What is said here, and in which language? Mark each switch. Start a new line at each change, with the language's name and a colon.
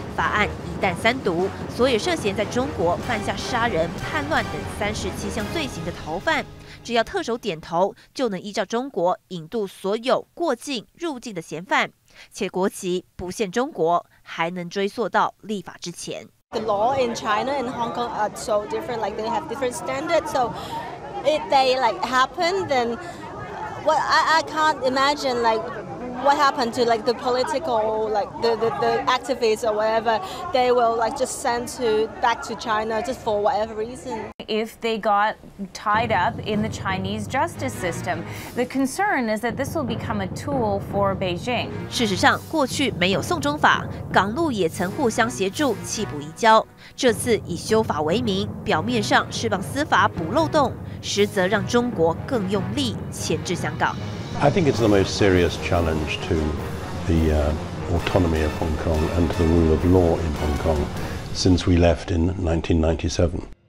Chinese: 法案一旦三读，所有涉嫌在中国犯下杀人、叛乱等37项罪行的逃犯，只要特首点头，就能依照中国引渡所有过境、入境的嫌犯，且国籍不限中国，还能追溯到立法之前。
English: The law in China and Hong Kong are so different. Like they have different standards. So if they like happen, then what I can't imagine like. What happened to like the political like the activists or whatever? They will like just send to back to China just for whatever reason. If they got tied up in the Chinese justice system, the concern is that this will become a tool for Beijing.
Chinese: 事实上，过去没有送中法，港陆也曾互相协助弃捕移交。这次以修法为名，表面上释放司法补漏洞，实则让中国更用力钳制香港。
English: I think it's the most serious challenge to the autonomy of Hong Kong and to the rule of law in Hong Kong since we left in 1997.